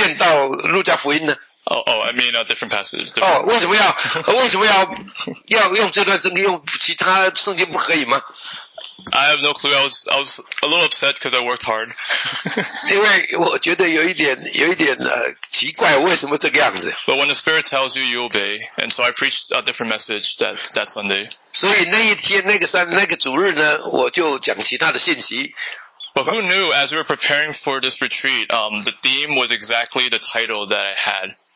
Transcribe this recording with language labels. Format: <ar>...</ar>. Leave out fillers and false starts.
<zh>我说为什么要改变到路加福音呢?</zh> <en>A different passage.</en> <zh>Oh, 为什么要用这段圣经用其他圣经不可以吗?</zh> <en>I have no clue. I was a little upset because I worked hard.</en> <zh>因为我觉得有一点奇怪，为什么这个样子？</zh> <en>But when the Spirit tells you, you obey. And so I preached a different message that Sunday.</en> <zh>所以那一天那个主日呢，我就讲其他的信息。</zh> <en>But who knew, as we were preparing for this retreat, the theme was exactly the title that I had.</en>